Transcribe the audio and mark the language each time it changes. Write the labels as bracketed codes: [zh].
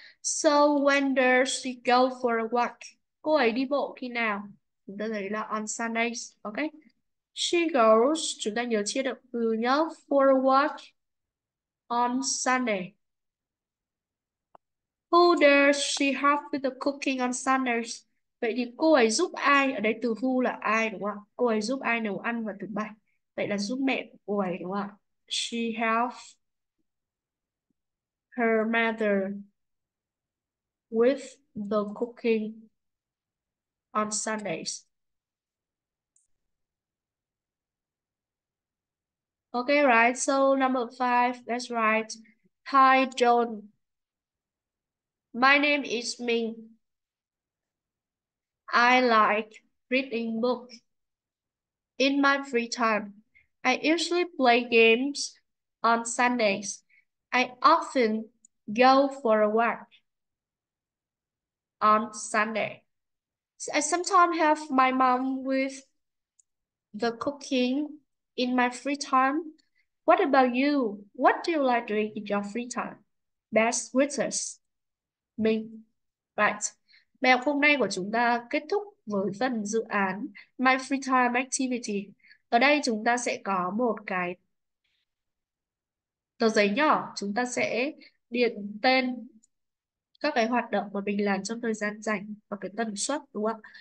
[en] So when does she go for a walk? [vi] Cô ấy đi bộ khi nào? Chúng ta thấy là on Sundays. Okay. [en] She goes, [vi] chúng ta nhớ chia động từ nhá, [en] for a walk on Sunday. Who does she help with the cooking on Sundays? [vi] Vậy thì cô ấy giúp ai? Ở đây từ who là ai đúng không? Cô ấy giúp ai nấu ăn vào thứ bảy? Vậy là giúp mẹ của cô ấy đúng không? [en] She helps her mother with the cooking on Sundays. Okay, right. So number five, that's right. Hi, John. My name is Ming. I like reading books. In my free time, I usually play games on Sundays. I often go for a walk on Sunday. So I sometimes help my mom with the cooking in my free time. What about you? What do you like doing in your free time? Best wishes, Ming. Right. [vi] Bài học hôm nay của chúng ta kết thúc với phần dự án My Free Time Activity. Ở đây chúng ta sẽ có một cái tờ giấy nhỏ, chúng ta sẽ điền tên các cái hoạt động mà mình làm trong thời gian rảnh và cái tần suất đúng không?